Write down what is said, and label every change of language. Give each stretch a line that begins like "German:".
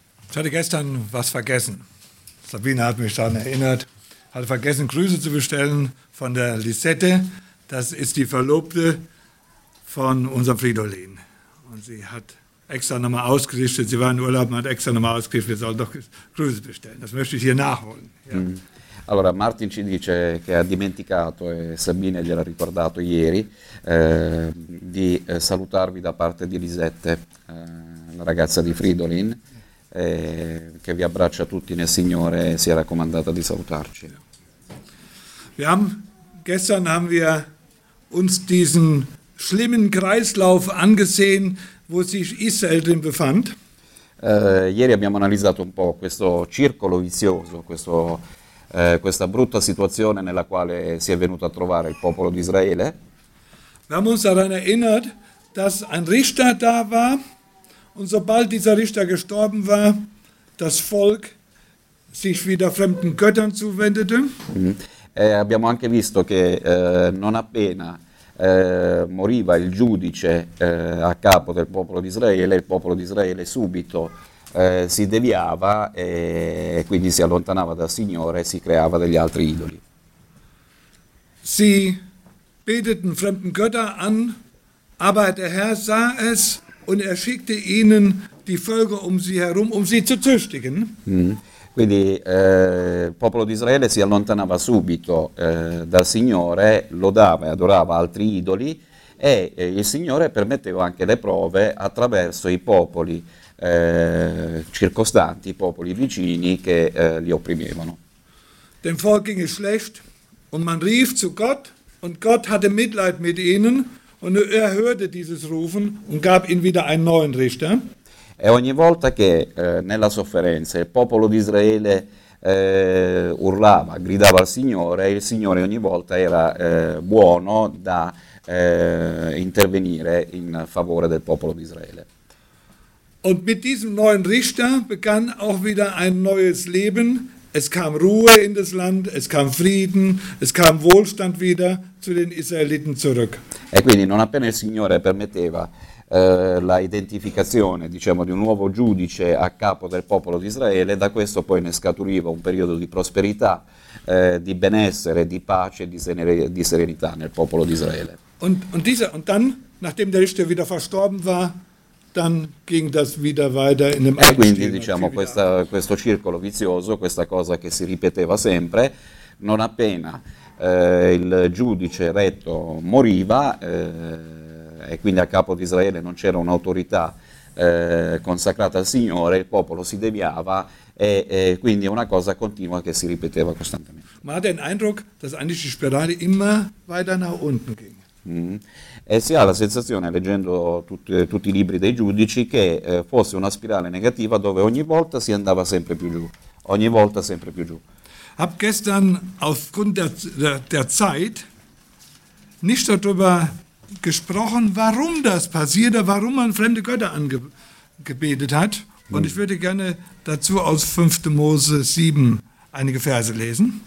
German: Ich hatte gestern was vergessen. Sabine hat mich daran erinnert. Hatte vergessen, Grüße zu bestellen von der Lisette. Das ist die Verlobte von unserem Fridolin. Und sie hat extra nochmal ausgerichtet. Sie war in Urlaub und hat extra nochmal ausgerichtet. Wir sollen doch Grüße bestellen. Das möchte ich hier nachholen. Ja.
Italian: Allora, Martin ci dice che ha dimenticato, e Sabine gliel'ha ricordato ieri, di salutarvi da parte di Lisette, la ragazza di Fridolin. Che vi abbraccia tutti nel Signore e si è raccomandata di salutarci.
German: Wir haben, gestern haben wir uns diesen schlimmen Kreislauf angesehen, wo sich Israel drin befand.
Italian: Ieri abbiamo analizzato un po' questo circolo vizioso, questa brutta situazione nella quale si è venuto a trovare il popolo di Israele.
German: Wir haben uns daran erinnert, dass ein Richter da war. Und sobald dieser Richter gestorben war, das Volk sich wieder fremden Göttern zuwendete.
Italian: Abbiamo anche visto che non appena moriva il giudice a capo del popolo di Israele, il popolo di Israele subito si deviava e quindi si allontanava dal Signore e si creava degli altri idoli.
German: Sie beteten fremden Götter an, aber der Herr sah es. Und schickte ihnen die Völker um sie herum, um sie zu züchtigen.
Italian: Quindi il popolo di Israele si allontanava subito dal Signore, lodava e adorava altri idoli, e il Signore permetteva anche le prove attraverso i popoli circostanti, i popoli vicini che li opprimevano.
German: Dem Volk ging es schlecht, und man rief zu Gott, und Gott hatte Mitleid mit ihnen. Und hörte dieses Rufen und gab ihn wieder einen neuen Richter.
Italian: E ogni volta che nella sofferenza il popolo di Israele urlava, gridava al Signore, il Signore ogni volta era buono da intervenire in favore del popolo di Israele.
German: Und mit diesem neuen Richter begann auch wieder ein neues Leben. Es kam Ruhe in das Land, es kam Frieden, es kam Wohlstand wieder zu den Israeliten zurück.
Italian: E quindi non appena il Signore permetteva la identificazione, diciamo, di un nuovo giudice a capo del popolo di Israele, da questo poi ne scaturiva un periodo di prosperità, di benessere, di pace e di serenità nel popolo di Israele.
German: Und dann, nachdem der Richter wieder verstorben war, dann ging das wieder weiter in dem Altstil.
Italian: E quindi, diciamo, questo circolo vizioso, questa cosa che si ripeteva sempre, non appena il giudice retto moriva e quindi a capo di Israele non c'era un'autorità consacrata al Signore, il popolo si deviava e quindi è una cosa continua che si ripeteva costantemente.
German: Ma ha den Eindruck, dass eigentlich die Spirale immer weiter nach unten ging.
Italian: E si ha la sensazione, leggendo tutti i libri dei giudici, che fosse una spirale negativa dove ogni volta si andava sempre più giù, ogni volta sempre più giù.
German: Hab gestern aufgrund der Zeit nicht darüber gesprochen, warum das passierte, warum man fremde Götter angebetet hat. Und ich würde gerne dazu aus 5. Mose 7 einige Verse lesen.